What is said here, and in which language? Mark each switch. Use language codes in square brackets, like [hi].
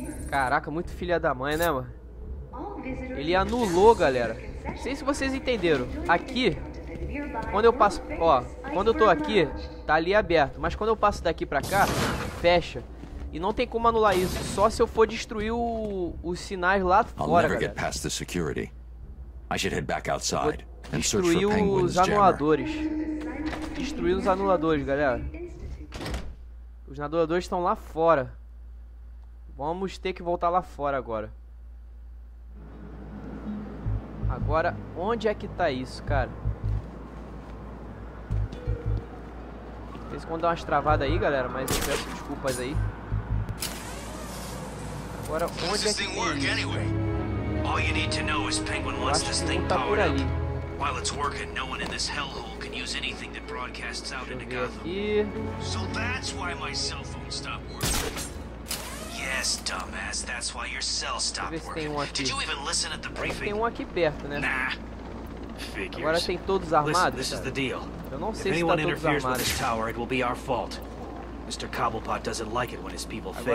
[pt] Caraca, muito filha da mãe, né, mano? Ele anulou, galera. Não sei se vocês entenderam. Aqui, quando eu passo, ó, quando eu tô aqui, tá ali aberto. Mas quando eu passo daqui pra cá, fecha. E não tem como anular isso. Só se eu for destruir os sinais lá fora, galera. [en] I'll never get past the security. I should head back outside and search for Penguin's jammer. [pt] Destruir os anuladores, galera. Os nadadores estão lá fora. Vamos ter que voltar lá fora agora. Agora, onde é que tá isso, cara? Vê se quando dá umas travadas aí, galera, mas eu peço desculpas aí. Agora, onde é que tá isso? Eu acho que o Penguin tá por ali. [en] can use anything that broadcasts out into Gotham. [pt] Aqui. [en] So that's why my cell phone stopped working. Yes, dumbass, that's why your cell stopped working. Did you even listen at the briefing? [pt] Tem um aqui perto, né? [en] Nah. [pt] Agora tem todos armados. [en] Listen, this is the deal. [pt] Eu não sei se tá todos armados. [en] If anyone interferes with this tower, it will be our fault. Mr. Cobblepot doesn't like it when his people fail.